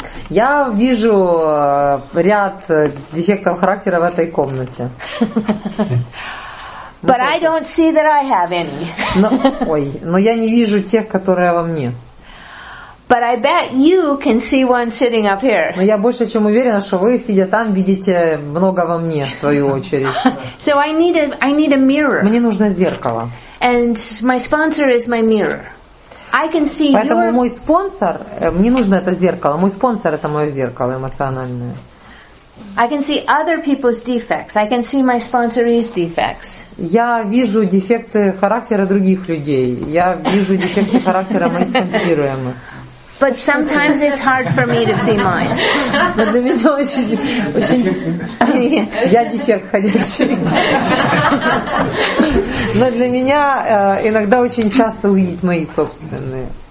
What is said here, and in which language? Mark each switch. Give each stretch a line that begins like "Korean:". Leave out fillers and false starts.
Russian: Я вижу ряд дефектов характера в этой комнате.
English: But I don't see that I have any.
Russian: Но я не вижу тех, которые во мне.
English: But I bet you can see one sitting up here.
Russian: Но я больше чем уверена, что вы, сидя там, видите много во мне, в свою очередь.
English: So I need a mirror.
Russian: Мне нужно зеркало.
English: And my sponsor is my mirror. I can see you.
Russian: Поэтому мой спонсор, мне нужно это зеркало. Мой спонсор это мое зеркало эмоциональное.
English: I can see other people's defects. I can see my sponsor's defects.
Russian: Я вижу дефекты характера других людей. Я вижу дефекты характера моих спонсируемых. But sometimes it's hard for me to see mine. Но для меня очень... Я дефект ходячий. Но для меня иногда очень часто увидеть мои собственные.